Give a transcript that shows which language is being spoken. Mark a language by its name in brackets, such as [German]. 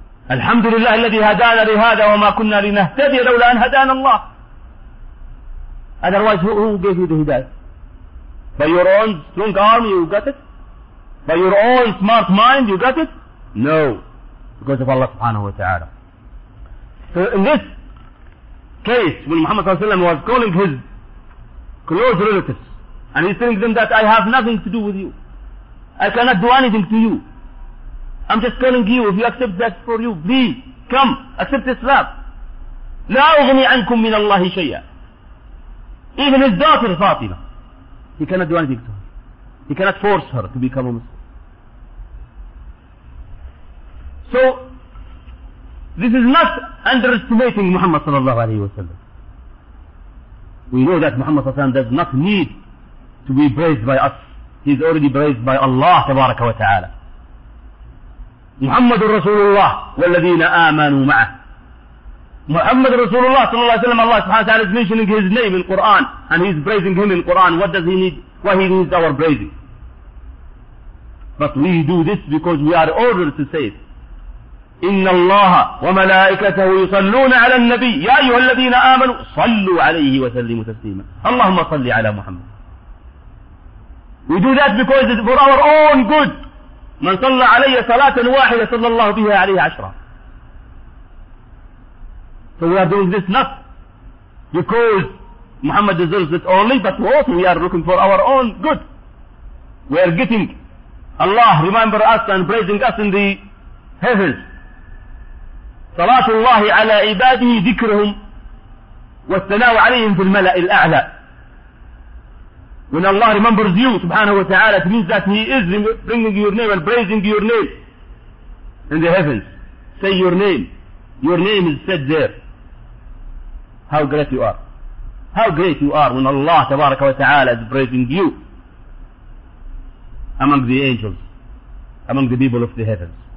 [Arabic] Alhamdulillah, الذي هدانا لهذا وما كنا لنهتدي لولا أن هدانا الله. [English] Otherwise, who gave you the hidayah? By your own strong arm, you got it? By your own smart mind, you got it? No. Because of Allah subhanahu wa ta'ala. So in this case, when Muhammad sallallahu alayhi wa sallam was calling his close relatives, and he's telling them that I have nothing to do with you. I cannot do anything to you. I'm just calling you, if you accept that for you, please, come, accept Islam. [Arabic] لا أغني عنكم من الله شيئا. [English] Even his daughter Fatima, he cannot do anything to her. He cannot force her to become a Muslim. So, this is not underestimating Muhammad sallallahu alayhi wa sallam. We know that Muhammad sallallahu alayhi wa sallam does not need to be praised by us. He's already praised by Allah tabaraka wa ta'ala. محمد رسول الله والذين آمنوا معه محمد رسول الله صلى الله عليه وسلم الله سبحانه وتعالى is mentioning his name in Quran and he is praising him in Quran. What does he need? Why he needs our praising? But we do this because we are ordered to say it. [Arabic] إن الله وملائكته يصلون على النبي يا أيها الذين آمنوا صلوا عليه وسلموا تسليما اللهم صل على محمد. [English] We do that because it's for our own good. [Arabic] من صلى علي صلاة واحدة صلى الله بها عليه عشرة. [English] So we are doing this not because Muhammad deserves it only, but also we are looking for our own good. We are getting Allah remember us and praising us in the heavens. [Arabic] صلاة الله على عباده ذكرهم والثناء عليهم في الملأ الأعلى. [English] When Allah remembers you, subhanahu wa ta'ala, it means that He is bringing your name and praising your name in the heavens. Say your name. Your name is said there. How great you are. How great you are when Allah, tabaraka wa ta'ala, is praising you among the angels, among the people of the heavens.